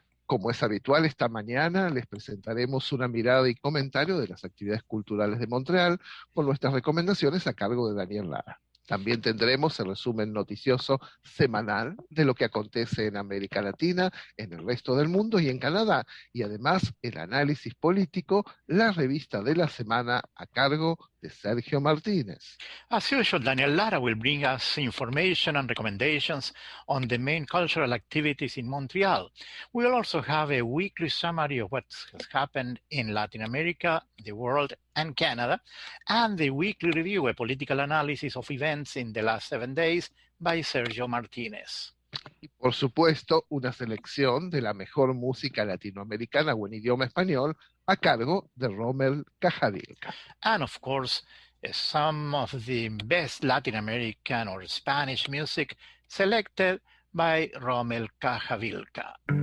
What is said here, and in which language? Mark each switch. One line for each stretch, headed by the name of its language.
Spanish: Como es habitual, esta mañana les presentaremos una mirada y comentario de las actividades culturales de Montreal con nuestras recomendaciones a cargo de Daniel Lara. También tendremos el resumen noticioso semanal de lo que acontece en América Latina, en el resto del mundo y en Canadá. Y además, el análisis político, la revista de la semana a cargo de Sergio Martínez.
English: As usual, Daniel Lara will bring us information and recommendations on the main cultural activities in Montreal. We'll also have a weekly summary of what has happened in Latin America, the world, and Canada, and the weekly review, a political analysis of events in the last 7 days, by Sergio Martínez.
Spanish: Y por supuesto, una selección de la mejor música latinoamericana o en idioma español a cargo de Rommel Cajadilca.
English: And of course, some of the best Latin American or Spanish music selected by Rommel Cajavilca.